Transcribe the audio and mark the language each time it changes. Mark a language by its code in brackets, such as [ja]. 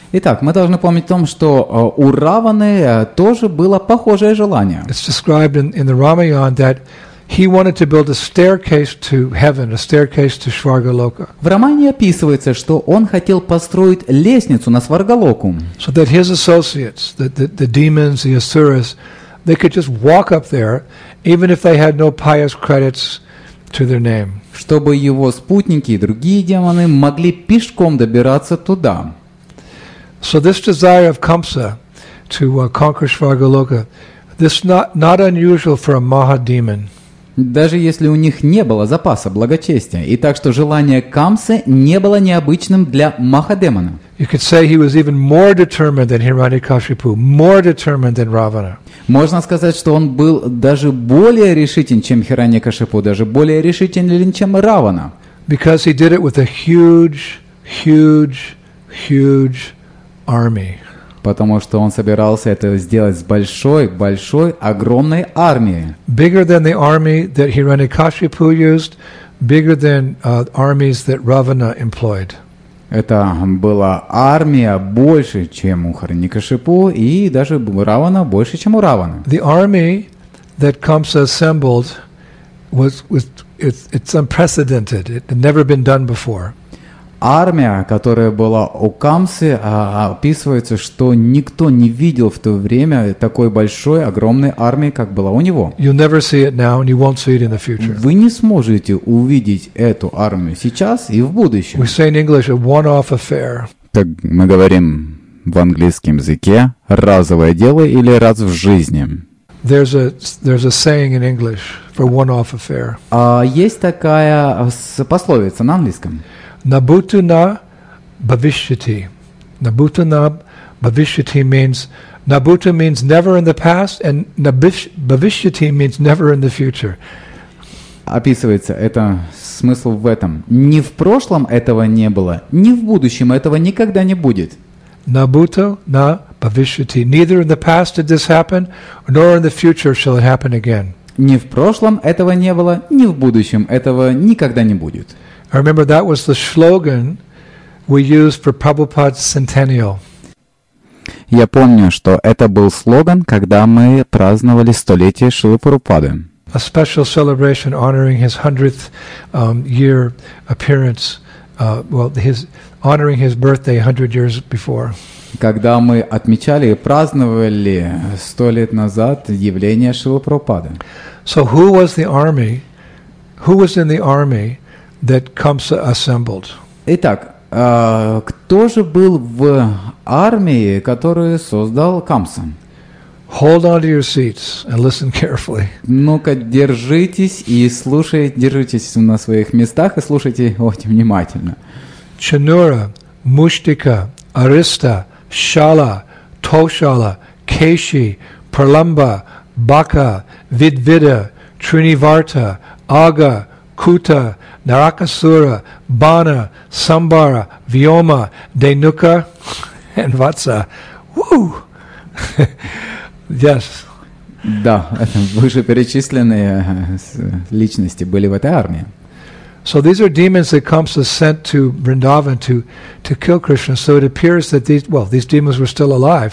[ru] Итак, мы должны помнить о том, что у Раваны тоже было похожее желание. [en] It's described in the Ramayana that he wanted to build a staircase to heaven, a staircase to Svargaloka. [ru] В Рамайне описывается, что он хотел построить лестницу на Сваргалоку. [en] So that his associates, the demons, the asuras, they could just walk up there, even if they had no pious credits, to their name. [ru] Чтобы его спутники и другие демоны могли пешком добираться туда. [en] So this desire of Kamsa to conquer Svargaloka, this not unusual for a Mahademon. [ru] Даже если у них не было запаса благочестия, и так что желание Камсы не было необычным для Махадемона. [en] You could say he was even more determined than Hiranyakashipu, more determined than Ravana. [ru] Можно сказать, что он был даже более решителен, чем Хираньякашипу, даже более решителен, чем Равана. [en] Because he did it with a huge, huge, huge army. [ru] Потому что он собирался это сделать с большой, большой, огромной армией. [en] Bigger than the army that Hiranyakashipu used, bigger than armies that Ravana employed. [ru] Это была армия больше, чем у Хираньякашипу, и даже у Равана больше, чем у Равана. [en] The army that Kamsa assembled was unprecedented. It had never been done before. [ru] Армия, которая была у Камсы, описывается, что никто не видел в то время такой большой, огромной армии, как была у него. [en] You'll never see it now, and you won't see it in the future. [ru] Вы не сможете увидеть эту армию сейчас и в будущем. [en] We say in English a one-off affair. [ru] Так мы говорим в английском языке разовое дело или раз в жизни. [en] There's a saying in English for one-off affair. [ru] Есть такая пословица на английском. [sa] Nabutuna bhavishyati. [en] Nabutuna bhavishyati means nabutu means never in the past, and bhavishyati means never in the future. [ru] Описывается это смысл в этом. Ни в прошлом этого не было, ни в будущем этого никогда не будет. [sa] Nabutuna bhavishyati. [en] Neither in the past did this happen, nor in the future shall it happen again. [ru] Ни в прошлом этого не было, ни в будущем этого никогда не будет. [en] I remember that was the slogan we used for Prabhupada's centennial. [ru] Я помню, что это был слоган, когда мы праздновали столетие Шрилы Прабхупады. [en] A special celebration honoring his 100th year appearance, honoring his birthday 100 years before. [ru] Когда мы отмечали и праздновали 100 лет назад явление Шрилы Прабхупады. [en] So who was the army? Who was in the army that Kamsa assembled? [ru] Итак, кто же был в армии, которую создал Камса? [en] Hold on to your seats and listen carefully. [ru] Ну-ка, держитесь и слушайте, держитесь на своих местах и слушайте очень внимательно. Чанура, Муштика, Ариста, Шала, Тошала, Кеши, Парламба, Бака, Видвида, Тринивартха, Ага, Кута, Наракасура, Бана, Самбара, Вьома, Дейнука, and Ватса. [en] Woo! Yes. [ru] Да, вышеперечисленные личности были в этой армии. [en] So these are demons that Kamsa sent to Vrindavan to kill Krishna. So it appears that these demons were still alive.